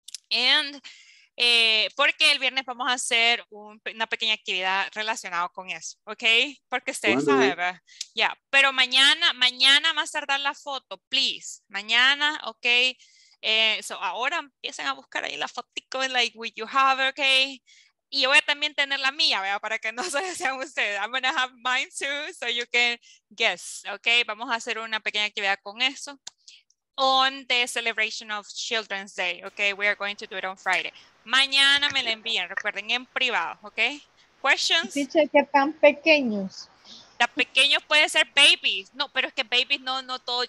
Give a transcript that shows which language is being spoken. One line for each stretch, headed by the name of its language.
Spanish: And, porque el viernes vamos a hacer una pequeña actividad relacionada con eso, ok, porque ustedes saben, ya, yeah. Pero mañana más tardar la foto, please, mañana, ok. So ahora empiecen a buscar ahí la fotico,
English: like, what you have,
Spanish: ok. Y yo voy a también tener la mía, ¿verdad? Para que no se desean ustedes.
English: I'm going to have mine too, so you can guess, ¿ok?
Spanish: Vamos a hacer una pequeña actividad con eso.
English: On the celebration of Children's Day,
Spanish: ¿ok?
English: We are going to do it on Friday.
Spanish: Mañana me la envían, recuerden, en privado,
English: ¿ok? Questions?
Spanish: Dice que tan pequeños. Tan pequeños puede ser babies. No, pero es que babies no todos.